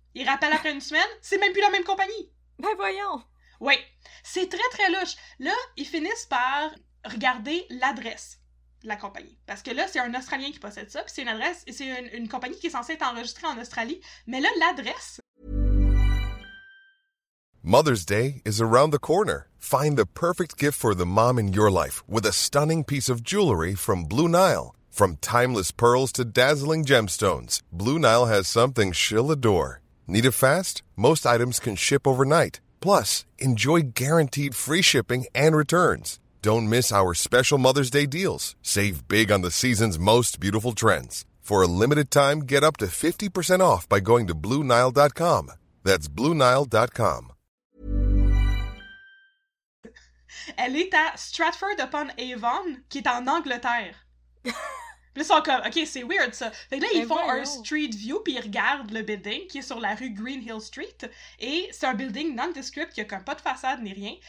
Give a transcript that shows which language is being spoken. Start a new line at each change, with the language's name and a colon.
French: Ils rappellent après une semaine, c'est même plus la même compagnie! Ben voyons! Oui, c'est très très louche. Là, ils finissent par regarder l'adresse de la compagnie. Parce que là, c'est un Australien qui possède ça, puis c'est une adresse, et c'est une compagnie qui est censée être enregistrée en Australie, mais là, l'adresse...
English: Mother's Day is around the corner. Find the perfect gift for the mom in your life with a stunning piece of jewelry from Blue Nile. From timeless pearls to dazzling gemstones, Blue Nile has something she'll adore. Need it fast? Most items can ship overnight. Plus, enjoy guaranteed free shipping and returns. Don't miss our special Mother's Day deals. Save big on the season's most beautiful trends. For a limited time, get up to 50% off by going to BlueNile.com. That's BlueNile.com.
French: Elle est à Stratford-upon-Avon, qui est en Angleterre. Puis ils sont comme, OK, c'est weird, ça. Fait que là, ils font un street view, puis ils regardent le building, qui est sur la rue Green Hill Street, et c'est un building nondescript, qui a comme pas de façade ni rien.